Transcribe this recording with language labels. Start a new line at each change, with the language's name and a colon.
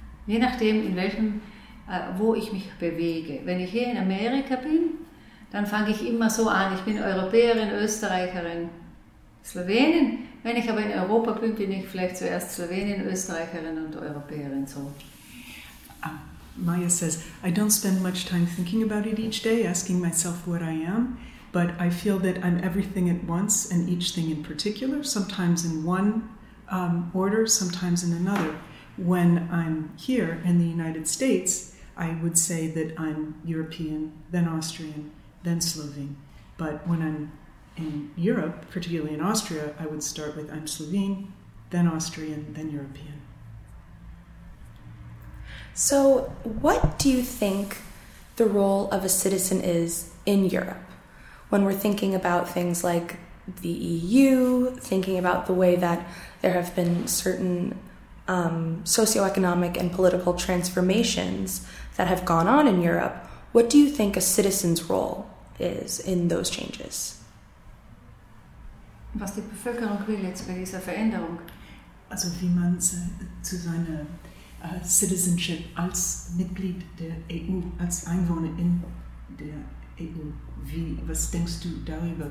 German: Je nachdem, wo ich mich bewege. Wenn ich hier in Amerika bin, dann fange ich immer so an. Ich bin Europäerin, Österreicherin, Slowenin. Wenn ich aber in Europa bin, bin ich vielleicht zuerst Slowenin, Österreicherin und Europäerin. So.
English: Maja says, I don't spend much time thinking about it each day, asking myself what I am, but I feel that I'm everything at once and each thing in particular, sometimes in one order, sometimes in another. When I'm here in the United States, I would say that I'm European, then Austrian, then Slovene. But when I'm in Europe, particularly in Austria, I would start with I'm Slovene, then Austrian, then European. So what do you think the role of a citizen is in Europe when we're thinking about things like the EU, thinking about the way that there have been certain socioeconomic and political transformations that have gone on in Europe? What do you think a citizen's role is in those changes?
German: Was die Bevölkerung will jetzt bei dieser Veränderung? Also wie man zu seiner Citizenship als Mitglied der EU, als Einwohner in der EU, was denkst du darüber?